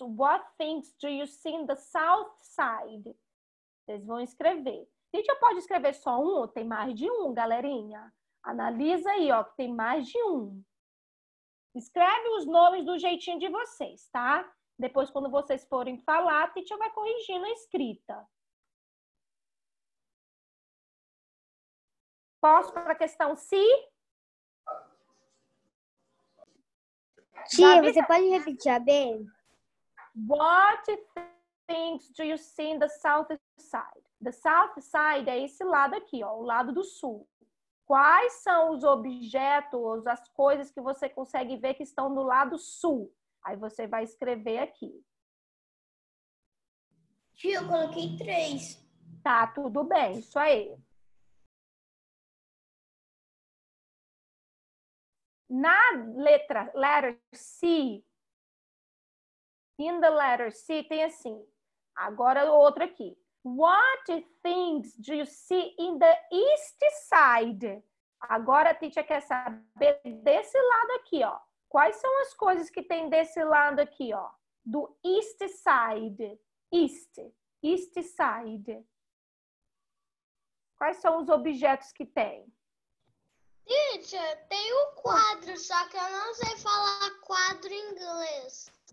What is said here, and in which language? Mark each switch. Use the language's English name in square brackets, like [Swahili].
[English] What things do you see in the south side? [Portuguese] Vocês vão escrever. A gente já pode escrever só um? Tem mais de um, galerinha. Analisa aí, ó, que tem mais de um. Escreve os nomes do jeitinho de vocês, tá? Depois, quando vocês forem falar, a Titi vai corrigindo a escrita. Posso para a questão C? Tia, você pode repetir a B? [English] What things do you see in the south side? The south side [Portuguese] é esse lado aqui, ó, o lado do sul. Quais são os objetos, as coisas que você consegue ver que estão no lado sul? Aí você vai escrever aqui. Tio, eu coloquei 3. Tá, tudo bem. Isso aí. Na letra, [English] letter C, in the letter C, [Portuguese] tem assim. Agora, outra aqui. [English] What things do you see in the east side? [Portuguese] Agora, a teacher quer saber desse lado aqui, ó. Quais são as coisas que tem desse lado aqui, ó? [English] Do east side. East side. [Portuguese] Quais são os objetos que tem? Teacher, tem um quadro, só que eu não sei falar quadro em inglês.